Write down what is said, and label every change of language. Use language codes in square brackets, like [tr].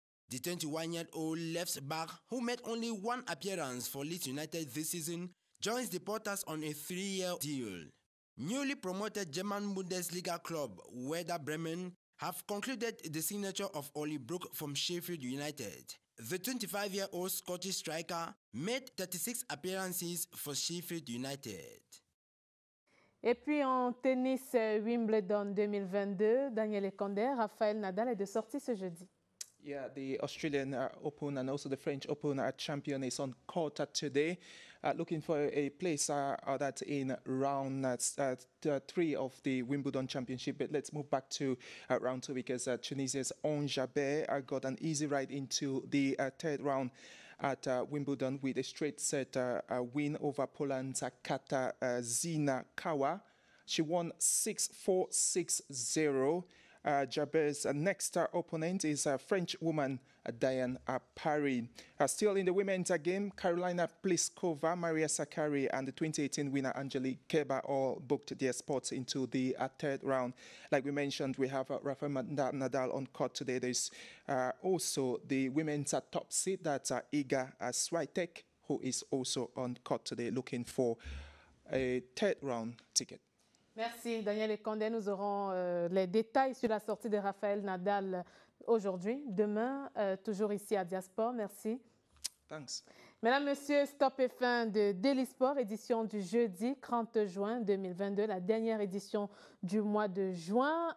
[en] The 21-year-old left-back, who made only one appearance for Leeds United this season, joins the Potters on a 3-year deal. Newly promoted German Bundesliga club Werder Bremen have concluded the signature of Oli Brook from Sheffield United. The 25-year-old Scottish striker made 36 appearances for Sheffield United. [fr] Et puis en tennis Wimbledon 2022, Daniel Ekondé, Rafael Nadal est de sortie ce jeudi. [en] Yeah, the Australian Open and also the French Open champion is on court today, looking for a place that in round three of the Wimbledon Championship. But let's move back to round two because Tunisia's Ons Jabeur got an easy ride into the third round at Wimbledon with a straight set win over Poland's Kata Zina Kawa. She won 6-4, 6-0. Jabir's next opponent is a French woman, Diane Parry. Still in the women's game, Carolina Pliskova, Maria Sakkari, and the 2018 winner Angelique Kerber all booked their spots into the third round. Like we mentioned, we have Rafael Nadal on court today. There's also the women's top seed, that's Iga Swiatek, who is also on court today looking for a third round ticket. [fr] Merci Daniel Ekande. Nous aurons les détails sur la sortie de Rafael Nadal aujourd'hui, demain, toujours ici à Diasport. Merci. [en] Thanks. [fr] Mesdames, Messieurs, stop et fin de Daily Sport, édition du jeudi 30 juin 2022, la dernière édition du mois de juin.